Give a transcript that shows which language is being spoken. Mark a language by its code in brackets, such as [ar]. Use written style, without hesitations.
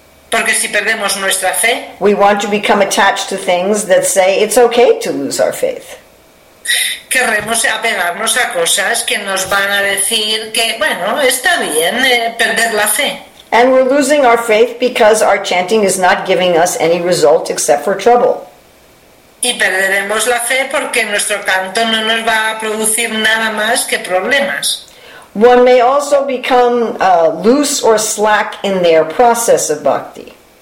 [es] porque si perdemos nuestra fe, [en] we want to become attached to things that say it's okay to lose our faith. [es] Queremos apegarnos a cosas que nos van a decir que, bueno, está bien perder la fe. [en] And we're losing our faith because our chanting is not giving us any result except for trouble. [es] Y perderemos la fe porque nuestro canto no nos va a producir nada más que problemas. [en] One may also become loose or slack in their process of bhakti.